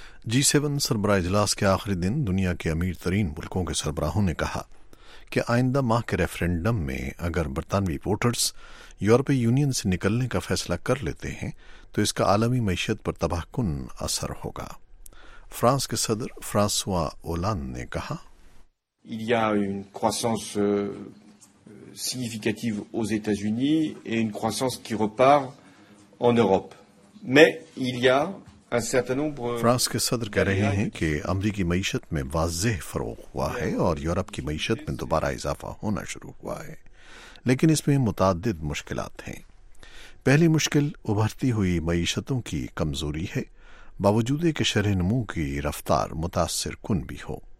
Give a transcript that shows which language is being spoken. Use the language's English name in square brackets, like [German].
[Urdu] جی seven سربراہ اجلاس کے آخری دن دنیا کے امیر ترین ملکوں کے سربراہوں نے کہا کہ آئندہ ماہ کے ریفرنڈم میں اگر برطانوی ووٹرز یورپی یونین سے نکلنے کا فیصلہ کر لیتے ہیں تو اس کا عالمی معیشت پر تباہ کن اثر ہوگا۔ فرانس کے صدر فرانسوا اولاند نے کہا [French] Il y a une croissance significative aux États-Unis et une croissance qui repart en Europe. Mais il y a un certain nombre [Urdu] France کے صدر کہہ رہے ہیں کہ امریکی معیشت میں واضح فروغ ہوا ہے اور یورپ کی معیشت میں دوبارہ اضافہ ہونا شروع ہوا ہے، لیکن اس میں متعدد مشکلات ہیں۔ پہلی مشکل ابھرتی ہوئی معیشتوں کی کمزوری ہے، باوجود کہ شرح نمو کی رفتار متاثر کن بھی ہو۔